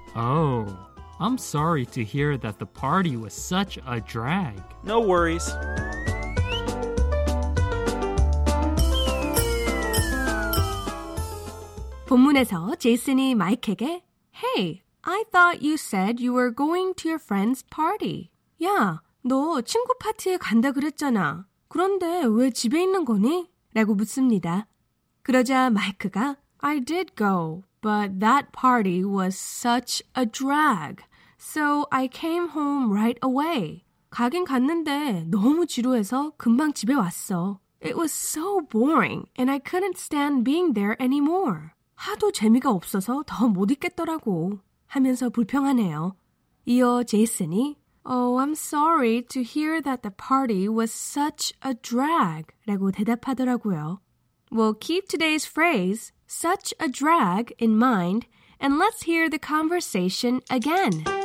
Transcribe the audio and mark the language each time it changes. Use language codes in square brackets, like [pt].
[en] Oh, I'm sorry to hear that the party was such a drag. No worries. [ko] 본문에서 제이슨이 마이크에게 [en] Hey, I thought you said you were going to your friend's party. [ko] 야, 너 친구 파티에 간다 그랬잖아. 그런데 왜 집에 있는 거니? 라고 묻습니다. 그러자 마이크가 [en] I did go, but that party was such a drag. So I came home right away. [ko] 가긴 갔는데 너무 지루해서 금방 집에 왔어. [en] It was so boring and I couldn't stand being there anymore. [ko] 하도 재미가 없어서 더 못 있겠더라고 하면서 불평하네요. 이어 제이슨이 [en] Oh, I'm sorry to hear that the party was such a drag [ko] 라고 대답하더라고요. [en] Well, keep today's phrase such a drag in mind and let's hear the conversation again.